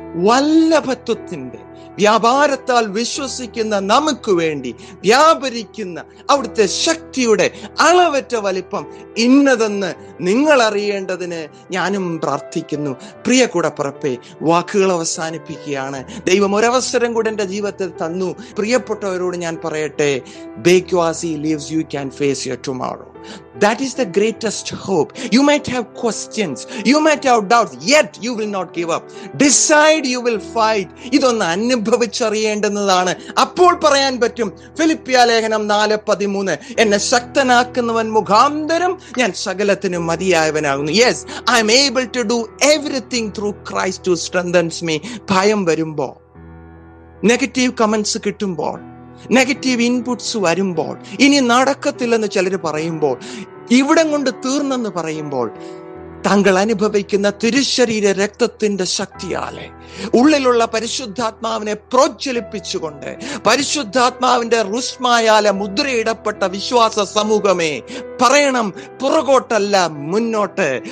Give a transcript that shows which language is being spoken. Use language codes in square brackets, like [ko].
[ml] വല്ലഭത്വത്തിന്റെ വ്യാപാരത്താൽ വിശ്വസിക്കുന്ന നമുക്ക് വേണ്ടി വ്യാപരിക്കുന്ന അവിടുത്തെ ശക്തിയുടെ അളവറ്റ വലിപ്പം ഇന്നതെന്ന് നിങ്ങൾ അറിയേണ്ടതിന് ഞാനും പ്രാർത്ഥിക്കുന്നു. പ്രിയ കൂടപ്പുറപ്പേ, വാക്കുകൾ അവസാനിപ്പിക്കുകയാണ്. ദൈവം ഒരവസരം കൂടെ എൻ്റെ ജീവിതത്തിൽ തന്നു. പ്രിയപ്പെട്ടവരോട് ഞാൻ പറയട്ടെ, [en] Because he lives you can face your tomorrow. That is the greatest hope. You might have questions, you might have doubts, yet you will not give up. Decide you will fight. [ml] ഇതൊന്ന് അനുഭവിച്ചറിയേണ്ടുന്നതാണ്. അപ്പോൾ പറയാൻ പറ്റും, ഫിലിപ്പിയ ലേഖനം 4:13, എന്നെ ശക്തനാക്കുന്നവൻ മുഖാന്തരം ഞാൻ സകലത്തിനും മതിയായവനാകുന്നു. [en] Yes, I am able to do everything through Christ who strengthens me. [ml] ഭയം വരുമ്പോൾ, നെഗറ്റീവ് കമന്റ്സ് കിട്ടുമ്പോൾ, നെഗറ്റീവ് ഇൻപുട്സ് വരുമ്പോൾ, ഇനി നടക്കത്തില്ലെന്ന് ചിലർ പറയുമ്പോൾ, ഇവിടം കൊണ്ട് തീർന്നെന്ന് പറയുമ്പോൾ, തങ്ങൾ അനുഭവിക്കുന്ന തിരുശരീര രക്തത്തിന്റെ ശക്തിയാലെ ഉള്ളിലുള്ള പരിശുദ്ധാത്മാവിനെ പ്രോജ്വലിപ്പിച്ചുകൊണ്ട് പരിശുദ്ധാത്മാവിന്റെ റുസ്മായാലെ മുദ്രയിടപ്പെട്ട വിശ്വാസ സമൂഹമേ, പറയണം പുറകോട്ടല്ല മുന്നോട്ട്.